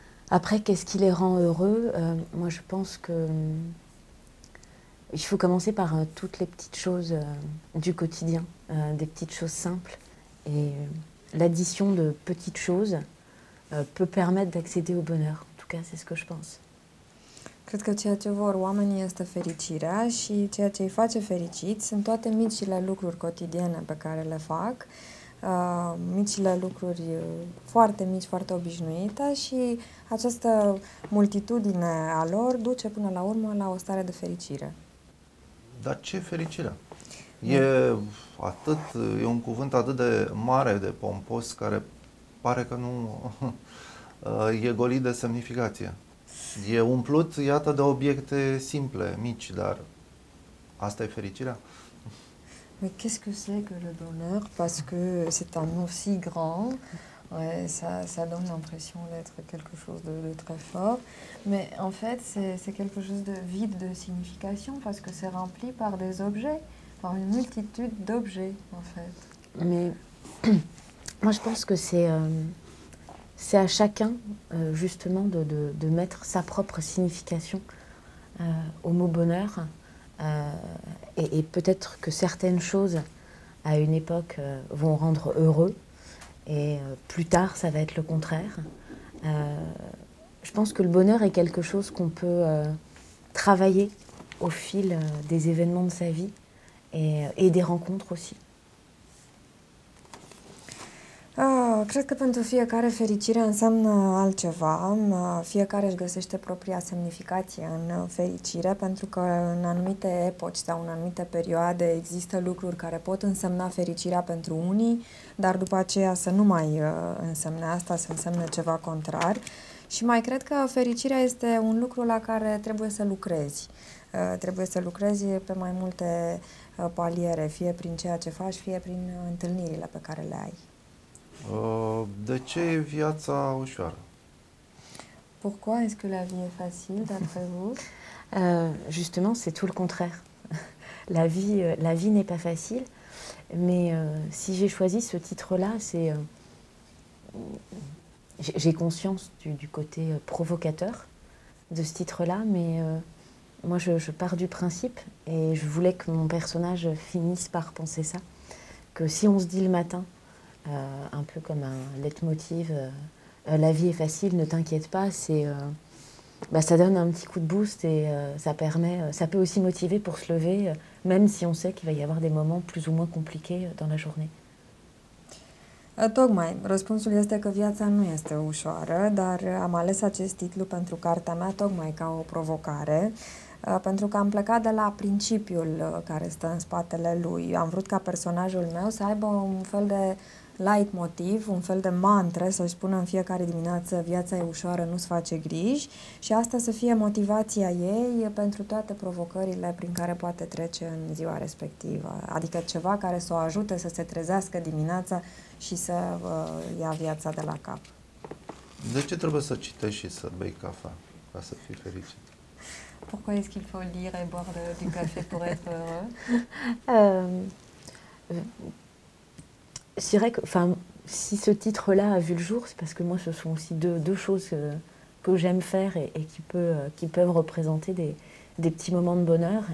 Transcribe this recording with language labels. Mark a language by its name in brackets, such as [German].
[French] Après, qu'est-ce qui les rend heureux? Moi, je pense que il faut commencer par toutes les petites choses du quotidien, des petites choses simples. Et l'addition de petites choses peut permettre d'accéder au bonheur. En tout cas, c'est ce que je pense. [Romanian] Cred că ceea ce vor oamenii este fericirea și ceea ce îi face fericiți sunt toate micile lucruri cotidiene pe care le fac, micile lucruri foarte mici, foarte obișnuite și această multitudine a lor duce până la urmă la o stare de fericire. Dar ce fericire? E atât, e un cuvânt atât de mare, de pompos, care pare că nu e golit de semnificație. E umplut, iată, de obiecte simple, mici, dar asta e fericirea? [French] Mais qu'est-ce que c'est que le bonheur? Parce que c'est un mot si grand, ouais, ça donne l'impression d'être quelque chose de très fort. Mais en fait, c'est quelque chose de vide de signification parce que c'est rempli par des objets, par une multitude d'objets, en fait. Mais moi, je pense que c'est à chacun, justement, de mettre sa propre signification au mot bonheur. Et peut-être que certaines choses, à une époque, vont rendre heureux, et plus tard, ça va être le contraire. Je pense que le bonheur est quelque chose qu'on peut travailler au fil des événements de sa vie et des rencontres aussi. [Romanian] Cred că pentru fiecare fericire înseamnă altceva. Fiecare își găsește propria semnificație în fericire, pentru că în anumite epoci sau în anumite perioade există lucruri care pot însemna fericirea pentru unii, dar după aceea să nu mai însemne asta, să însemne ceva contrar. Și mai cred că fericirea este un lucru la care trebuie să lucrezi. Trebuie să lucrezi pe mai multe paliere, fie prin ceea ce faci, fie prin întâlnirile pe care le ai. De ce e viața ușoară? [French] Pourquoi est-ce que la vie est facile d'après vous? Justement, c'est tout le contraire. La vie n'est pas facile, mais si j'ai choisi ce titre-là, c'est j'ai conscience du côté provocateur de ce titre-là, mais moi je pars du principe et je voulais que mon personnage finisse par penser ça, que si on se dit le matin un peu comme un leitmotiv, la vie est facile, ne t'inquiète pas, ça donne un petit coup de boost et ça peut aussi motiver pour se lever, même si on sait qu'il va y avoir des moments plus ou moins compliqués dans la journée. [Romanian] Tocmai, răspunsul este că viața nu este ușoară, dar am ales acest titlu pentru cartea mea tocmai ca o provocare, pentru că am plecat de la principiul care stă în spatele lui. Am vrut ca personajul meu să aibă un fel de leitmotiv, un fel de mantră, să-și spună în fiecare dimineață viața e ușoară, nu-ți face griji, și asta să fie motivația ei pentru toate provocările prin care poate trece în ziua respectivă. Adică ceva care să o ajute să se trezească dimineața și să ia viața de la cap. De ce trebuie să citești și să bei cafea ca să fii fericit? [French] Pourquoi est-ce qu'il faut lire et boire du café pour être heureux? C'est vrai que, enfin, si ce titre-là a vu le jour, c'est parce que moi, ce sont aussi deux choses que j'aime faire et qui peuvent représenter des petits moments de bonheur.